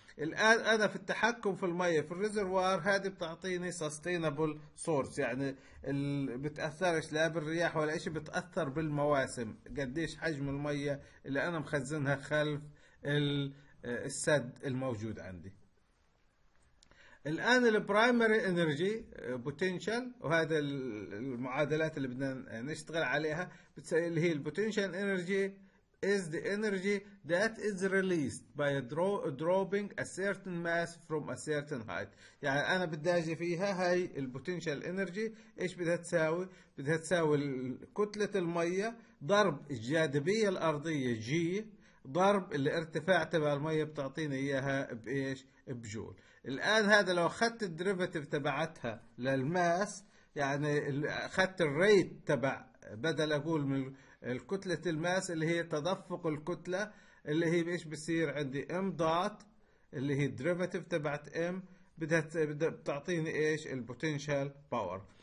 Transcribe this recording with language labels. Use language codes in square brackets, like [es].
[ar] الآن أنا في التحكم في المية في الريزروار هذه بتعطيني sustainable source، يعني بتأثرش لا بالرياح ولا شيء، بتأثر بالمواسم قديش حجم المية اللي أنا مخزنها خلف السد الموجود عندي. الآن البرايمري انرجي بوتنشال، وهذا المعادلات اللي بدنا نشتغل عليها، اللي هي البوتنشال انرجي [en] is the energy that is released by dropping a certain mass from a certain height. [ar] يعني أنا بدي أجي فيها هاي البوتنشال انرجي إيش بدها تساوي؟ بدها تساوي كتلة المية ضرب الجاذبية الأرضية جي ضرب الارتفاع تبع المية بتعطيني إياها بإيش؟ بجول. الآن هذا لو أخذت الدريفيتيف تبعتها للماس، يعني أخذت الريت تبع بدل أقول من الكتلة الماس اللي هي تدفق الكتلة اللي هي بإيش بصير عندي ام دوت اللي هي الدريفيتيف تبعت ام بتعطيني إيش؟ البوتنشال باور.